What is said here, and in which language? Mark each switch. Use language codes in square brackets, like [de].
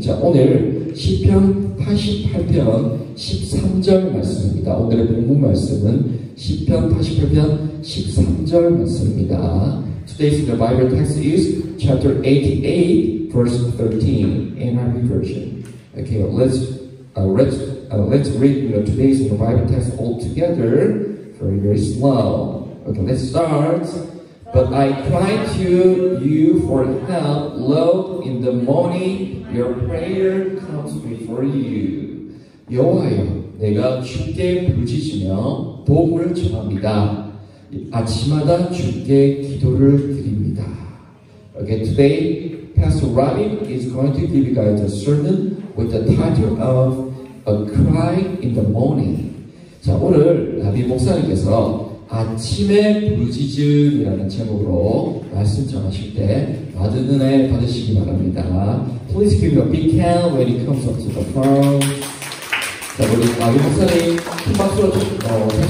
[ko] 자, 오늘 시편 88편 13절 말씀입니다. 오늘의 본문 말씀은 시편 88편 13절 말씀입니다. [en] Today's the Bible text is chapter 88, verse 13, NIV version. Okay, let's let's read today's Bible text all together, very, very slow. Okay, let's start. But I cry to you for help. Lo, in the morning, your prayer comes before you. [ko] 여호와여, 내가 주께 부르짖으며 도움을 청합니다. 아침마다 주께 기도를 드립니다. [en] Okay, today, Pastor Robin is going to give you guys a sermon with the title of A Cry in the Morning. [ko] 자, 오늘 라빈 목사님께서 아침에 부르짖음이라는 제목으로 말씀 전하실 때 받은 은혜 받으시기 바랍니다. [en] Please give a big hand when it comes up to the front. [ko] 자, 우리 라빈 목사님 큰 박수로 해주세요.